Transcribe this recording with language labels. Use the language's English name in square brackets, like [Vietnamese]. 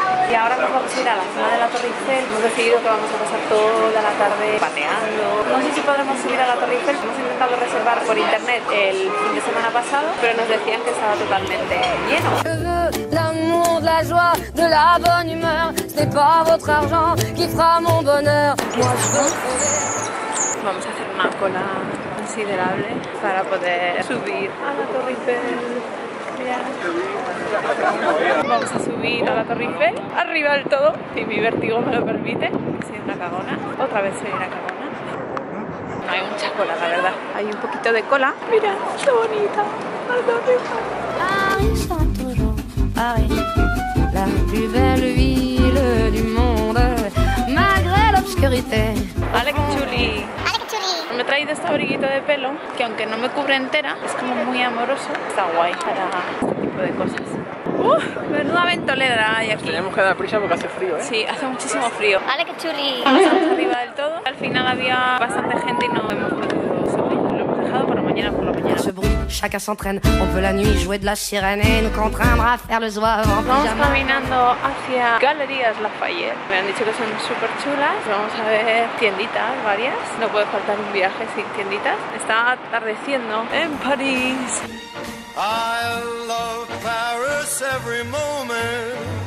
[Spanish] Y ahora nos vamos a ir a la zona de la Torre Eiffel. Hemos decidido que vamos a pasar toda la tarde pateando. No sé si podremos subir a la Torre Eiffel. Hemos intentado reservar por internet el fin de semana pasado, pero nos decían que estaba totalmente lleno. [French] L'amour, la joie, de la bonne humeur. Ce n'est pas votre argent qui fera mon bonheur. [Spanish] Vamos a hacer una cola considerable para poder subir a la Torre Eiffel. Vamos a subir a la Torre Eiffel. Arriba del todo, si mi vértigo me lo permite. Soy una cagona. Otra vez soy una cagona. No hay mucha cola, la verdad. Hay un poquito de cola. Mira, qué bonita. La Torre Eiffel. [French] La plus belle ville du monde. Malgré l'obscurité. [Spanish] Vale, qué chuli. Me he traído este abriguito de pelo, que aunque no me cubre entera, es como muy amoroso. Está guay para este tipo de cosas. Menuda ventolera hay aquí. Nos tenemos que dar prisa porque hace frío, ¿eh? Sí, hace muchísimo frío. ¡Ale, qué chuli! Pasamos arriba del todo. Al final había bastante gente y no hemos podido subir. Lo hemos dejado para mañana por la mañana. [French] Chacun s'entraîne, on peut la nuit jouer de la sirène et nous contraindre à faire le zouave en pyjama. [Spanish] Vamos caminando hacia Galerías Lafayette. Me han dicho que son super chulas. Vamos a ver tienditas varias. No puede faltar un viaje sin tienditas. Está atardeciendo en París. [English] I love Paris every moment.